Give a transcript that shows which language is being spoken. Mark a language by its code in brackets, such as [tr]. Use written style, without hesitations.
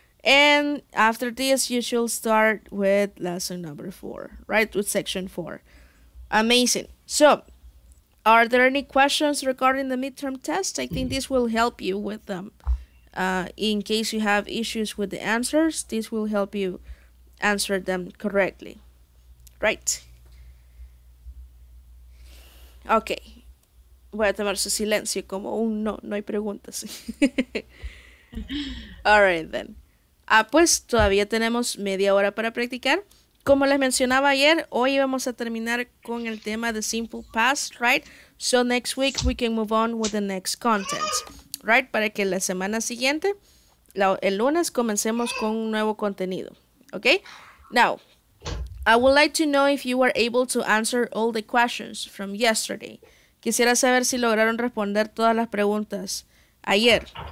[en] And after this, you should start with lesson number four, right? With section four. Amazing. So, are there any questions regarding the midterm test? I think this will help you with them. In case you have issues with the answers, this will help you answer them correctly. Right. Okay. [es] Voy a tomar su silencio como un no, no hay preguntas. [en] All right, then. [es] Ah, pues todavía tenemos media hora para practicar. Como les mencionaba ayer, hoy vamos a terminar con el tema de simple past, right? [en] So next week we can move on with the next content, right? [es] Para que la semana siguiente, el lunes, comencemos con un nuevo contenido, okay? [en] Now, I would like to know if you were able to answer all the questions from yesterday. [es] Quisiera saber si lograron responder todas las preguntas ayer.